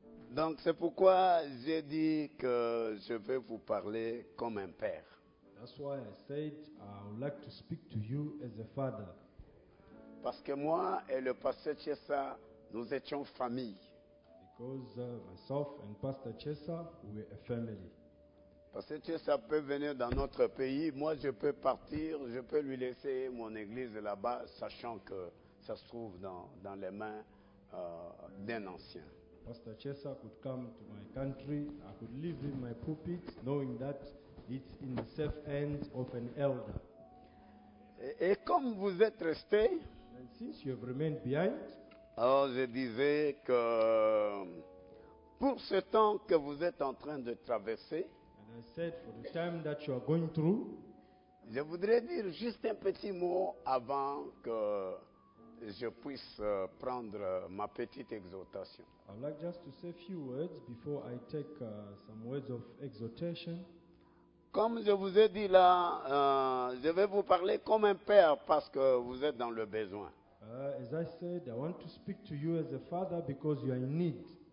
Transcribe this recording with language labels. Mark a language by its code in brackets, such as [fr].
[fr] Donc c'est pourquoi j'ai dit que je vais vous parler comme un père. [en] That's why I said I would like to speak to you as a father. [fr] Parce que moi et le pasteur Chesson, nous étions famille. [en] Because myself and Pastor Chessa, we're a family. [fr] Parce que ça peut venir dans notre pays, moi je peux partir, je peux lui laisser mon église là-bas, sachant que ça se trouve dans les mains d'un ancien. [en] Pastor Chessa could come to my country, I could leave him my pulpit, knowing that it's in the safe hands of an elder. [fr] Et comme vous êtes resté, [en] and since you have remained behind, [fr] alors je disais que pour ce temps que vous êtes en train de traverser, [en] I said for the time that you are going through, [fr] je voudrais dire juste un petit mot avant que je puisse prendre ma petite exhortation. [en] I would like just to say a few words before I take some words of exhortation. [fr] Comme je vous ai dit là, je vais vous parler comme un père parce que vous êtes dans le besoin. [en] As I said, I want to speak to you as a father because you are in need.